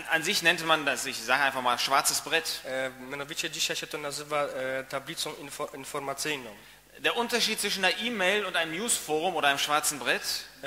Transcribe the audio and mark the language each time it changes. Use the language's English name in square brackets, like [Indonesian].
[German] An sich nennt man das, ich sage einfach mal, schwarzes Brett. [Polish] Mianowicie dzisiaj się to nazywa tablicą informacyjną. [German] Der Unterschied zwischen einer E-Mail und einem Newsforum oder einem schwarzen Brett?